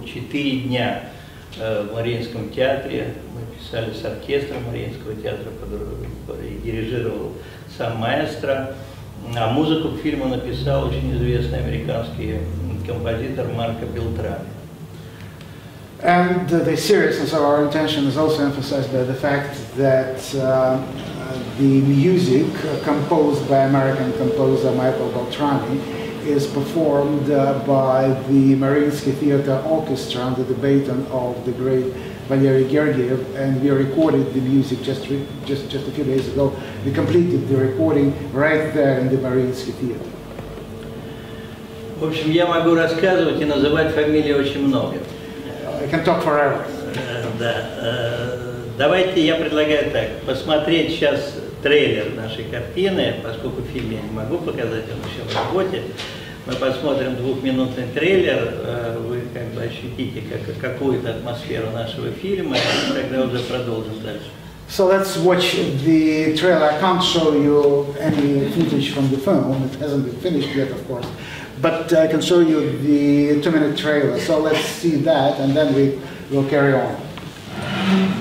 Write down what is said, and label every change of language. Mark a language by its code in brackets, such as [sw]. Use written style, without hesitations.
[ru] Четыре дня в Мариинском театре мы писали с оркестром Мариинского театра, который дирижировал сам маэстро. А музыку к фильму написал очень известный американский композитор Марко Белтрами. [en] And the seriousness of our intention is also emphasized by the fact that the music composed by American composer Michael Beltrami is performed by the Mariinsky Theater Orchestra under the baton of the great Valery Gergiev, and we recorded the music just a few days ago. We completed the recording right there in the Mariinsky Theater. [ru] В общем, я могу рассказывать и называть фамилии очень много. [en] I can talk forever. [ru] Да. Давайте я предлагаю так, посмотреть сейчас трейлер нашей картины, поскольку фильм я не могу показать, он еще в работе. Мы посмотрим двухминутный трейлер, вы как бы ощутите какую-то атмосферу нашего фильма, и тогда уже продолжим дальше. [en] So let's watch the trailer. I can't show you any footage from the film, it hasn't been finished yet, of course. But I can show you the 2-minute trailer. So let's see that, and then we will carry on.